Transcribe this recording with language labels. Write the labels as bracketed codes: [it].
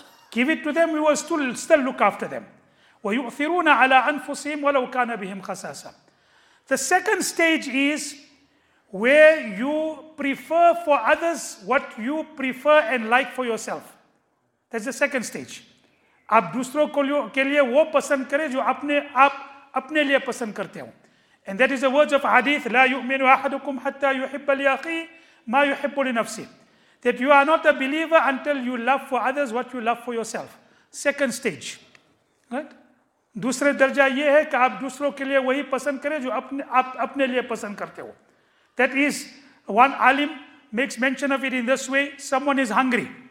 [en] Give it to them, we will still look after them. [ar] وَيُؤْثِرُونَ عَلَىٰ أَنفُسِهِمْ وَلَوْ كَانَ بِهِمْ خَسَاسًا. [en] The second stage is where you prefer for others what you prefer and like for yourself. That's the second stage. [ur] آپ دوسروں کے لیے وہ پسند کریں جو آپ اپنے لیے پسند کرتے ہوں. [en] And that is the words of hadith, [ar] لا يؤمن أحدكم حتى يحب لأخي ما يحب لنفسه. [en] That you are not a believer until you love for others what you love for yourself. Second stage. Right? [ur] دوسرے درجہ یہ ہے کہ آپ دوسروں کے لیے وہی پسند کریں جو آپ اپنے لیے پسند کرتے ہو. [en] That is, one alim makes mention of it in this way, someone is hungry.